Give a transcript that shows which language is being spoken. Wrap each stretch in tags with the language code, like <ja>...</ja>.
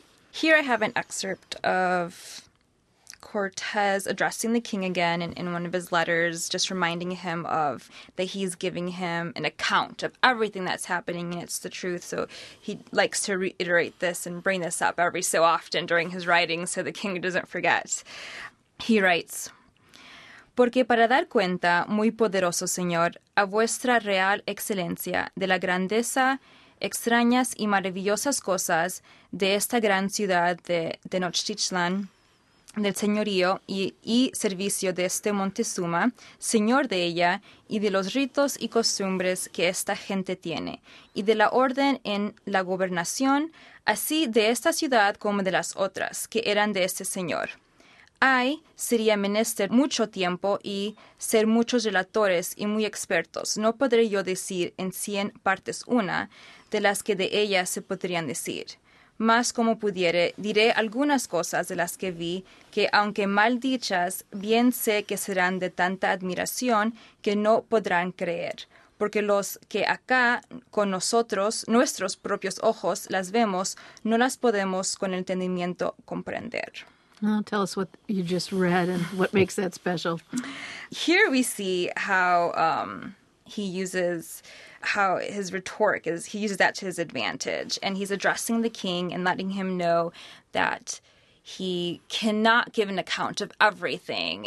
<en>Here I have an excerpt of Cortez addressing the king again in one of his letters, just reminding him of that he's giving him an account of everything that's happening and it's the truth. So he likes to reiterate this and bring this up every so often during his writing so the king doesn't forget. He writes,</en> <es>Porque para dar cuenta, muy poderoso señor, a vuestra real excelencia de la grandeza, extrañas y maravillosas cosas de esta gran ciudad de Tenochtitlan, del señorío y servicio de este Montezuma, señor de ella, y de los ritos y costumbres que esta gente tiene, y de la orden en la gobernación, así de esta ciudad como de las otras, que eran de este señor. Ay, sería menester mucho tiempo y ser muchos relatores y muy expertos. No podré yo decir en 100 partes una de las que de ellas se podrían decir. Más como pudiere, diré algunas cosas de las que vi, que aunque mal dichas, bien sé que serán de tanta admiración que no podrán creer. Porque los que acá con nosotros, nuestros propios ojos, las vemos, no las podemos con el entendimiento comprender.</es> <en>Well, tell us what you just read and what makes that special. Here we see how he uses, how his rhetoric is, he uses that to his advantage. And he's addressing the king and letting him know that he cannot give an account of everything.</en>